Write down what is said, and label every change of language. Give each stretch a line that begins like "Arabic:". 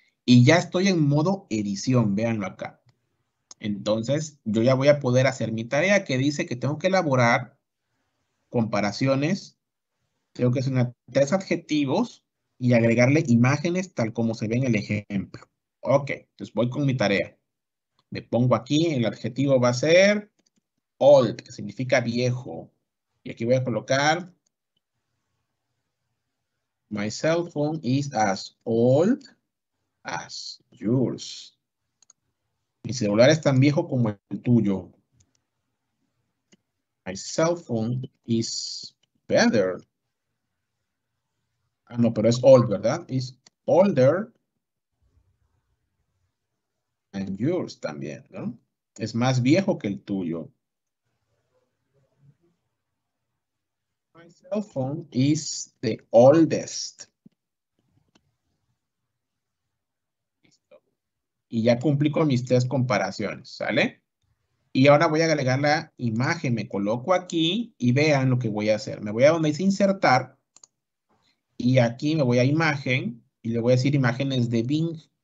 Spanish: Y ya estoy en modo edición. Véanlo acá. Entonces, yo ya voy a poder hacer mi tarea que dice que tengo que elaborar comparaciones. Tengo que hacer tres adjetivos y agregarle imágenes tal como se ve en el ejemplo. Ok, entonces voy con mi tarea. Me pongo aquí, el adjetivo va a ser old, que significa viejo. Y aquí voy a colocar
English: my cell phone is as old as yours.
Spanish: Mi celular es tan viejo como el tuyo.
English: My cell phone is better.
Spanish: Ah, no, pero es old, ¿verdad?
English: Is older than yours
Spanish: también, ¿no? Es más viejo que el tuyo.
English: My cell phone is the oldest.
Spanish: Y ya cumplí con mis tres comparaciones, ¿sale? Y ahora voy a agregar la imagen. Me coloco aquí y vean lo que voy a hacer. Me voy a donde dice insertar. Y aquí me voy a imagen y le voy a decir imágenes de Bing.